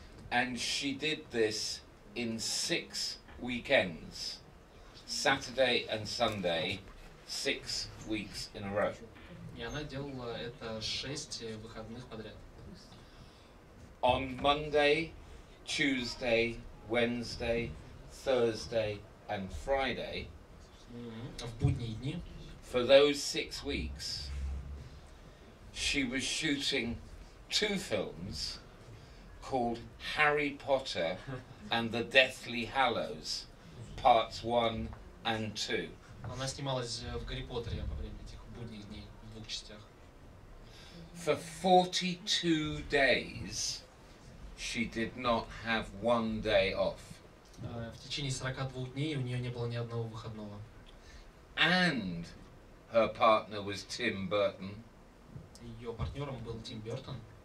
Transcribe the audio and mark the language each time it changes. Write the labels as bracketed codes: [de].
[en] And she did this in 6 weekends, Saturday and Sunday. 6 weeks in a row. [ru] И она делала это 6 выходных подряд. [en] On Monday, Tuesday, Wednesday, Thursday, and Friday. [ru] В будние дни. [en] For those 6 weeks, she was shooting 2 films called Harry Potter and the Deathly Hallows, parts 1 and 2. [ru] Она снималась в «Гарри Поттере» во время этих будних дней, в 2 частях. [en] For 42 days she did not have 1 day off. [ru] В течение 42 дней у нее не было ни одного выходного. [en] And her partner was Tim Burton. [ru] Ее партнером был Тим Бертон.